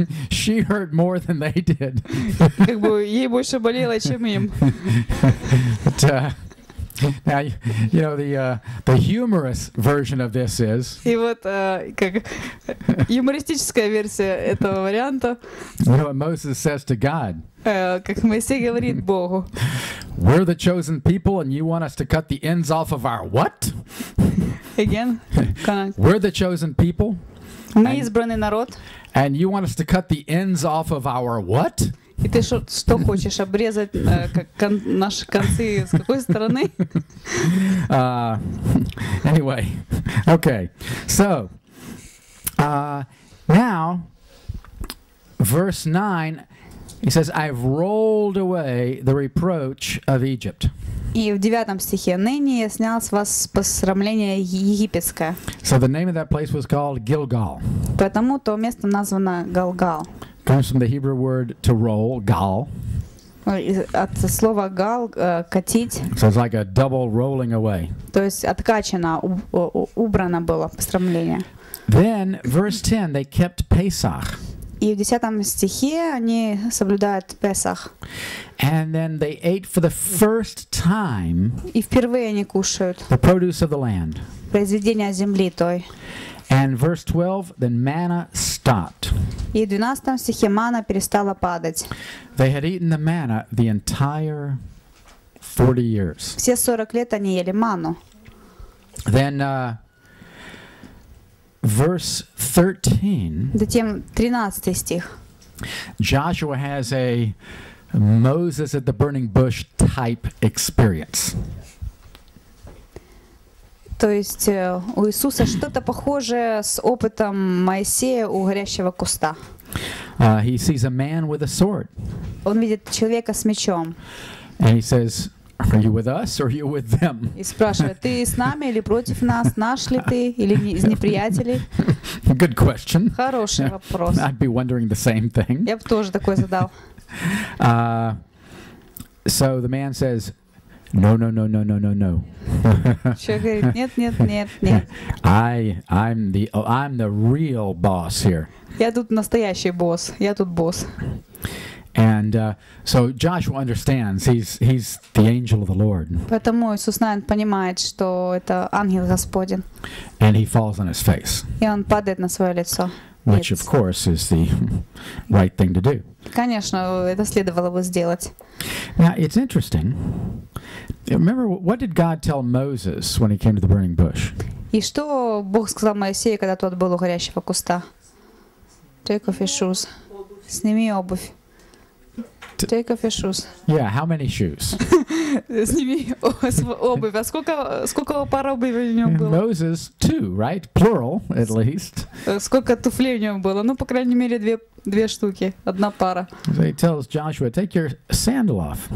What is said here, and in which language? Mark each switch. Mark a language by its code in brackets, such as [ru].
[en] She hurt more than they did. [ru] Как бы ей больше болело, чем им. [en] Now, you know, the humorous version of this is. [ru] И вот как юмористическая версия этого варианта. [en] You know what Moses says to God? [ru] Как Моисей говорит Богу. [en] We're the chosen people, and you want us to cut the ends off of our what? Again? We're the chosen people. [ru] Мы избранный народ. [en] And you want us to cut the ends off of our what? [ru] И ты что хочешь обрезать наши концы с какой стороны? [en] Anyway, okay. So now verse 9, he says, "I've rolled away the reproach of Egypt." [ru] И в 9 стихе: "Ныне я снял с вас посрамление египетское." [en] So the name of that place was called Gilgal. [ru] Потому то место названо Галгал. [en] Comes from the Hebrew word to roll, gal. [ru] От слова гал, катить. [en] So it's like a double rolling away. [ru] То есть откачано, убрано было посрамление. [en] Then, verse 10, they kept Pesach. [ru] И в 10 стихе они соблюдают Песах. [en] And then they ate for the first time. [ru] И впервые они кушают. [en] The produce of the land. [ru] Произведение земли той. [en] And verse 12, then manna stopped. [ru] И в 12 стихе манна перестала падать. [en] They had eaten the manna the entire 40 years. [ru] Все 40 лет они ели манну. [en] Then verse 13. [ru] Затем 13 стих. [en] Joshua has a Moses at the burning bush type experience. [ru] То есть у Иисуса что-то похожее с опытом Моисея у горящего куста. [en] He sees a man with a sword. [ru] Он видит человека с мечом. [en] And he says, "Are you with us or are you with them?" [ru] И спрашивает: "Ты с нами или против нас? Наш ли ты или из неприятелей?" [en] Good question. [ru] Хороший вопрос. [en] I'd be wondering the same thing. [ru] Я бы тоже такой задал. [en] So the man says, "No, no, no, no, no, no, no." [ru] Человек говорит: "Нет, нет, нет, нет." [en] I'm the real boss here. [ru] Я тут настоящий босс. Я тут босс. [en] And so Joshua understands. He's the angel of the Lord. [ru] Поэтому Иисус понимает, что это ангел Господень. [en] And he falls on his face. [ru] И он падает на свое лицо. [en] Which, of course, is the right thing to do. [ru] Конечно, это следовало бы сделать. [en] Now, it's interesting. Remember, what did God tell Moses when he came to the burning bush? [ru] И что Бог сказал Моисею, когда тот был у горящего куста? [en] Take off your shoes. [ru] Сними обувь. [en] Take off your shoes. Yeah, how many shoes? [ru] Сними обувь. А сколько пар обуви у него было? [en] Moses, two, right? Plural, at least. [ru] Сколько туфлей у него было? Ну, по крайней мере, две штуки. Одна пара. [en] So he tells Joshua, take your sandal off.